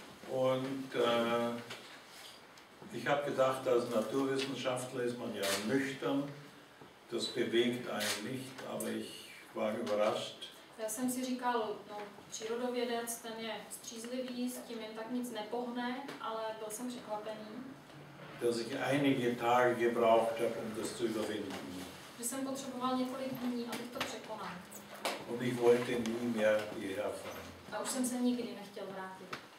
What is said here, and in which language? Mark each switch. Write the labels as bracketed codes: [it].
[de] Und ich habe gedacht, als Naturwissenschaftler ist man ja nüchtern, das bewegt einen nicht, aber ich war überrascht. [cs] Já jsem si říkal, no, přírodovědec, ten je střízlivý, s tím jen tak nic nepohne, ale byl jsem překvapený. [de] Dass ich einige Tage gebraucht habe, um das zu überwinden. [cs] Že jsem potřeboval několik dní, abych to překonal. [de] Und ich wollte nie mehr hierher fahren. [cs] A už jsem se nikdy nechtěl vrátit.